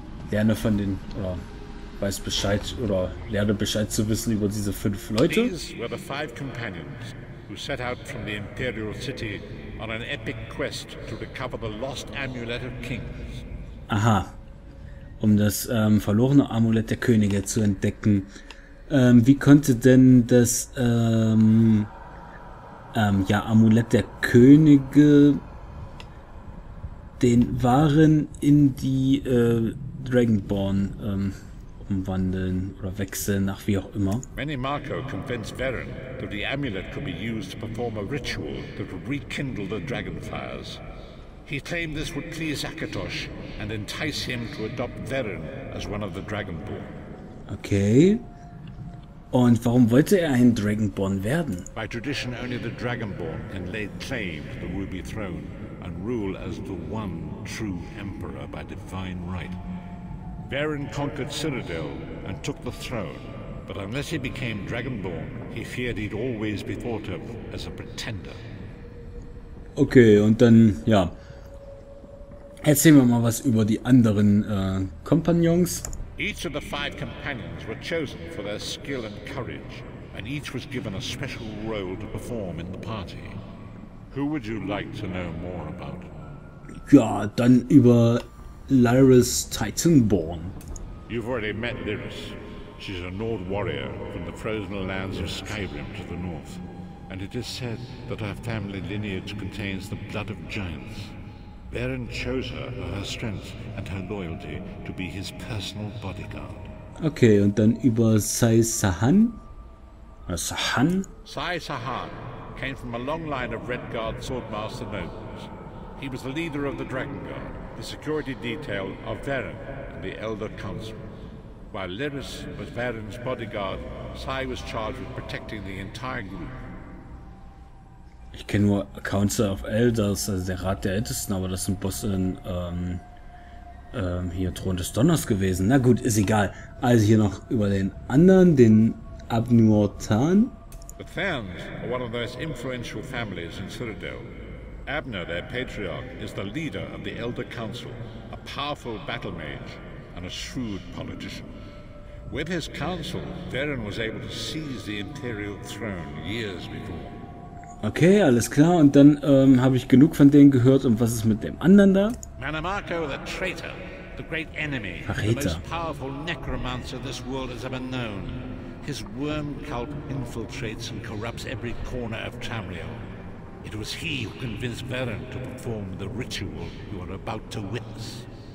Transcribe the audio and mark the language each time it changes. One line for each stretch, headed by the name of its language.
German: Lerne von den, oder weiß Bescheid, oder lerne Bescheid zu wissen über diese fünf Leute.
English: These were the five companions who set out from the Imperial City on an epic quest to recover the lost amulet of kings.
German: Aha. Um das verlorene Amulett der Könige zu entdecken. Wie konnte denn das Amulett der Könige den Waren in die Dragonborn umwandeln oder wechseln, nach wie auch immer?
English: Manny Marco convinced Varen that the amulet could be used to perform a ritual that would rekindle the dragonfires. He claimed this would please Akatosh and entice him to adopt Varen as one of the Dragonborn.
German: Okay. Und warum wollte er ein Dragonborn werden?
English: By tradition, only the Dragonborn can lay claim to the Ruby Throne and rule as the one true emperor by divine right. Varen conquered Cyrodiil and took the throne, but unless he became Dragonborn, he feared he'd always be thought of as a pretender.
German: Okay, und dann, ja. Erzählen wir mal was über die anderen Kompagnons.
English: Each of the five companions were chosen for their skill and courage, and each was given a special role to perform in the party. Who would you like to know more about?
German: Ja, dann über Lyris Titanborn.
English: You've already met Lyris. She's a Nord warrior from the frozen lands of Skyrim to the north, and it is said that her family lineage contains the blood of giants. Baron chose her for her strength and her loyalty to be his personal bodyguard.
German: Okay, und dann über Sai Sahan? Sahan?
English: Sai Sahan came from a long line of Red Guard Swordmaster nobles. He was the leader of the Dragon Guard, the security detail of Varen and the Elder Council. While Lyris was Varen's bodyguard, Sai was charged with protecting the entire group.
German: Ich kenne nur Council of Elders, also der Rat der Ältesten, aber das sind Bosse in hier Thron des Donners gewesen. Na gut, ist egal. Also hier noch über den anderen, den Abnur Tan.
English: The Therns are one of the most influential families in Cyrodiil. Abnur, their patriarch, is the leader of the Elder Council, a powerful battle mage and a shrewd politician. With his council, Varen was able to seize the Imperial throne years before.
German: Okay, alles klar. Und dann habe ich genug von denen gehört. Und was ist mit dem anderen da?
English: Manamarco, the traitor, the great enemy,
German: Verräter.
English: The most powerful necromancer this world has ever known. His worm cult infiltrates and corrupts every corner of Tamriel. It was he who convinced Beren to perform the ritual you are about to witness.